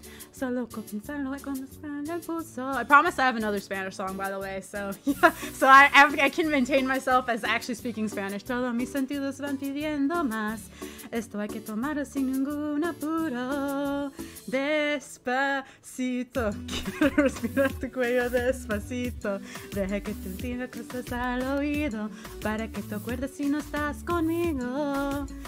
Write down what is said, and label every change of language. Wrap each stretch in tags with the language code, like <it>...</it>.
<es>Solo con pensarlo y con esperar el pulso.</es> <en>I promise I have another Spanish song, by the way. So, yeah. So I can maintain myself as actually speaking Spanish.</en> <es>Todos mis sentidos van pidiendo más. Esto hay que tomar sin ningún apuro. Despacito. Quiero respirar tu cuello despacito. Deja que te diga cosas al oído. Para que te acuerdes si no estás conmigo.</es>